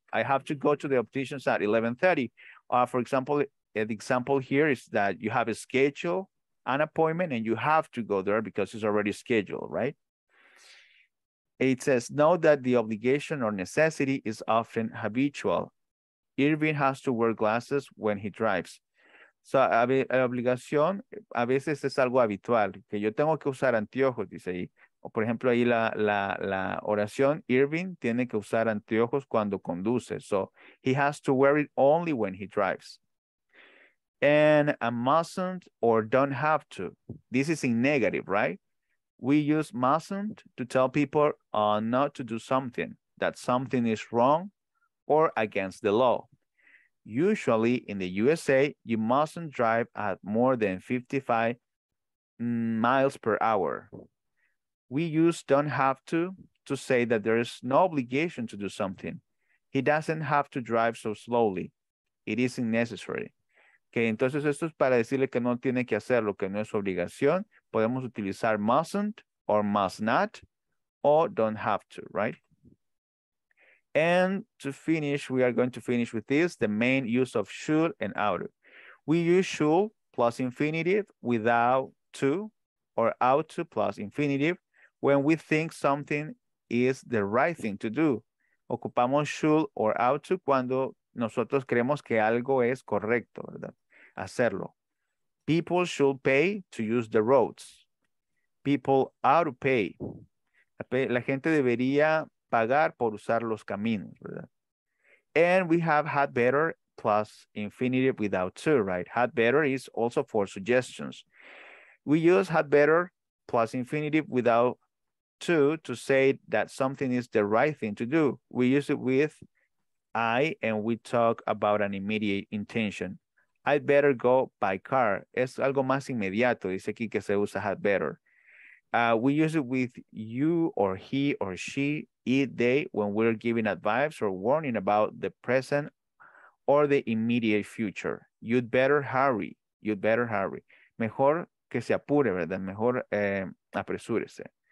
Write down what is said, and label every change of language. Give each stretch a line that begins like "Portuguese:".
English: I have to go to the opticians at 11:30. For example, an example here is that you have a schedule, an appointment, and you have to go there because it's already scheduled, right? It says, know that the obligation or necessity is often habitual. Irving has to wear glasses when he drives.
Spanish: So, obligación a veces es algo habitual, que yo tengo que usar anteojos, dice ahí. O por ejemplo, ahí la oración, Irving tiene que usar anteojos cuando conduce.
English: So, he has to wear it only when he drives. And a mustn't or don't have to. This is in negative, right? We use mustn't to tell people not to do something, that something is wrong or against the law. Usually in the USA, you mustn't drive at more than 55 miles per hour. We use don't have to say that there is no obligation to do something. He doesn't have to drive so slowly. It isn't necessary.
Spanish: Okay, entonces esto es para decirle que no tiene que hacerlo, que no es obligación. Podemos utilizar
English: mustn't or must not or don't have to, right? And to finish, we are going to finish with this, the main use of should and ought. We use should plus infinitive without to or ought to plus infinitive when we think something is the right thing to do.
Spanish: Ocupamos
English: should or ought to
Spanish: cuando nosotros creemos que algo es correcto, ¿verdad? Hacerlo.
English: People should pay to use the roads. People ought to pay.
Spanish: La gente debería pagar por usar los caminos, ¿verdad?
English: And we have had better plus infinitive without to, right? Had better is also for suggestions. We use had better plus infinitive without to say that something is the right thing to do. We use it with I and we talk about an immediate intention. I'd better go by car.
Spanish: Es algo más inmediato, dice aquí que se usa had better.
English: We use it with you or he or she, it, they, when we're giving advice or warning about the present or the immediate future. You'd better hurry. You'd better hurry.
Spanish: Mejor que se apure, ¿verdad? Mejor apresúrese.